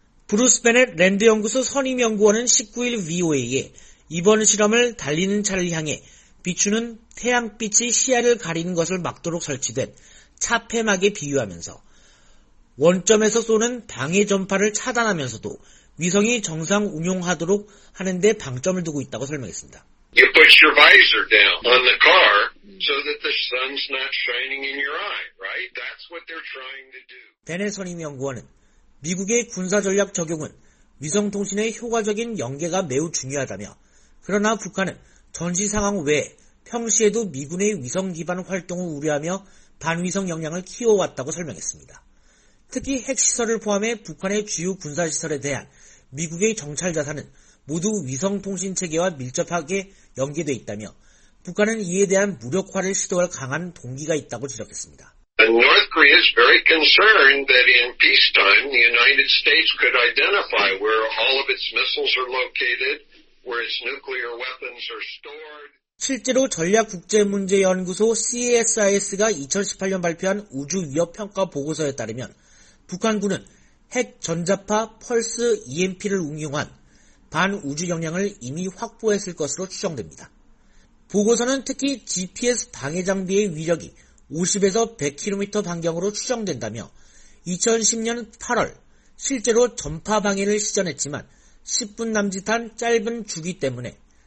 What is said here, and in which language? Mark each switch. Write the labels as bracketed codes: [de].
[ko] 브루스 베넷 랜드연구소 선임연구원은 19일 VOA에 이번 실험을 달리는 차를 향해 비추는 태양빛이 시야를 가리는 것을 막도록 설치된 차폐막에 비유하면서 원점에서 쏘는 방해 전파를 차단하면서도 위성이 정상 운용하도록 하는 데 방점을 두고 있다고 설명했습니다. [en] You put your visor down on the car so that the sun's not shining in your eye, right? That's what they're trying to do. [ko] 베넷 선임연구원은 미국의 군사전략 적용은 위성통신의 효과적인 연계가 매우 중요하다며 그러나 북한은 전시상황 외에 평시에도 미군의 위성기반 활동을 우려하며 반위성 역량을 키워왔다고 설명했습니다. 특히 핵시설을 포함해 북한의 주요 군사시설에 대한 미국의 정찰자산은 모두 위성통신체계와 밀접하게 연계되어 있다며 북한은 이에 대한 무력화를 시도할 강한 동기가 있다고 지적했습니다. [en] North Korea is very concerned that in peacetime the United States could identify where all of its missiles are located, where its nuclear weapons are stored. [ko] 실제로 전략국제문제연구소 CSIS가 2018년 발표한 우주위협평가보고서에 따르면 북한군은 핵전자파 펄스 EMP를 응용한 반우주 역량을 이미 확보했을 것으로 추정됩니다. 보고서는 특히 GPS 방해 장비의 위력이 50에서 100km 반경으로 추정된다며 2010년 8월 실제로 전파 방해를 시전했지만 10분 남짓한 짧은 주기 때문에